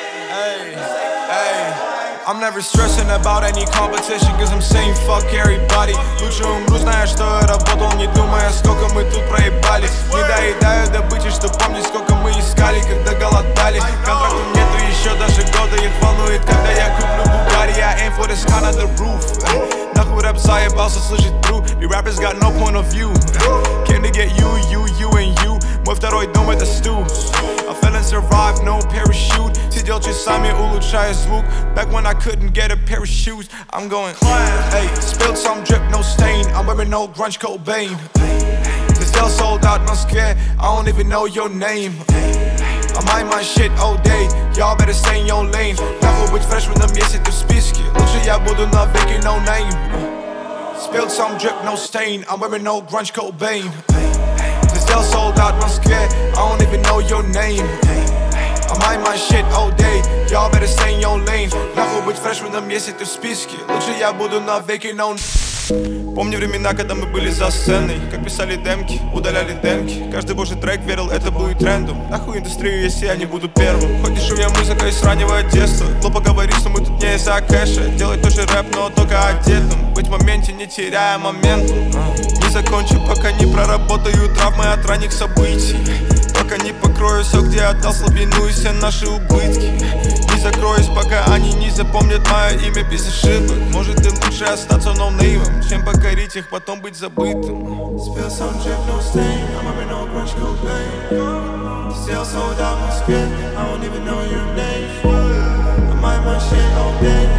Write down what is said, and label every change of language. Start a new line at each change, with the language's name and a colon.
English: I'm never stressing about any competition, cause I'm saying fuck everybody.
Russian: Лучшим груз, знаешь, что я работал, не думая, сколько мы тут проебали. Не доедаю добычи, чтоб помнить, сколько мы искали, когда голодали. Контракту нету еще даже года, их волнует, когда я куплю Bugatti.
English: I aim for the sky, not the roof.
Russian: Нахуй рэп заебался слышать true.
English: The rappers got no point of view. Came to get you, you, you and you.
Russian: Мой второй дом это Stu.
English: I fell and survived, no parachute.
Russian: Сидел часами, улучшая звук.
English: Back when I couldn't get a pair of shoes, I'm going clap. Hey, spilled some drip, no stain. I'm wearing old grunge Cobain. The sale sold out, no scare. I don't even know your name. I mind my shit all day. Y'all better stay in your lane.
Russian: Нахуй быть фреш в этом, если ты в списке. Лучше я буду навеки,
English: no name. Spilled some drip, no stain. I'm wearing old grunge Cobain. Still sold out, I'm scared. I don't even know your name. I mind my shit all day. Y'all better stay in your lane.
Russian: Нахуй быть фреш в этом, если ты в списке. Лучше я буду навеки, no. Помню времена, когда мы были за сценой. Как писали демки, удаляли демки. Каждый божий трек верил, это будет трендом. Нахуй индустрию, если я не буду первым. Хоть дешу я музыка из раннего детства. Глупо говорить, что мы тут не из-за кэша. Делать тоже рэп, но только одетым. Быть в моменте, не теряя момент. Не закончу, пока не проработаю травмы от ранних событий. Пока не покрою все, где отдал слабину и все наши убытки. Не закроюсь, пока они не запомнят мое имя без ошибок. Может и лучше остаться ноунеймом, чем покорить их, потом быть забытым.
English: Spill some drip, no stain. I'm wearing old grunge Cobain. Still sold out my skin. I don't even know your name. I mind my shit all day.